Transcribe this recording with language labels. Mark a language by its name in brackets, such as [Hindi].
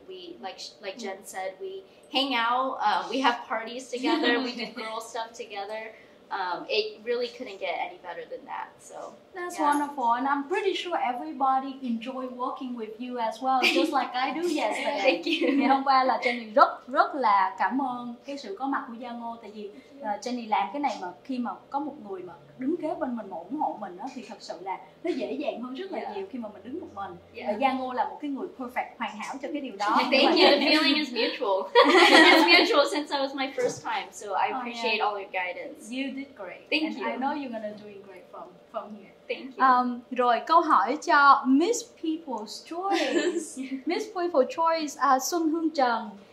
[English] We, like Jen said, we hang out, we have parties together, we do girl stuff together. It really couldn't get any better than that. So that's wonderful, and I'm pretty sure everybody enjoy working with you as well, just like I do. Yes, thank you. [Vietnamese] Ngày hôm qua là Jenny rất rất là cảm ơn cái sự có mặt của Gia Ngô, tại vì Jenny làm cái này mà khi mà có một người mà đứng kế bên mình mà ủng hộ mình đó, thì thật sự là nó dễ dàng hơn rất là nhiều khi mà mình đứng một mình. Và Gia Ngô là một cái người perfect, hoàn hảo cho cái điều đó. [English] Thank you. The feeling is mutual. It's mutual since I was my first time, so I appreciate all your guidance. You did great. Thank and you. And I know you're gonna do great from here. Thank you. [Vietnamese] Rồi câu hỏi cho Miss People's Choice. Miss People's Choice Xuân Hương Trần.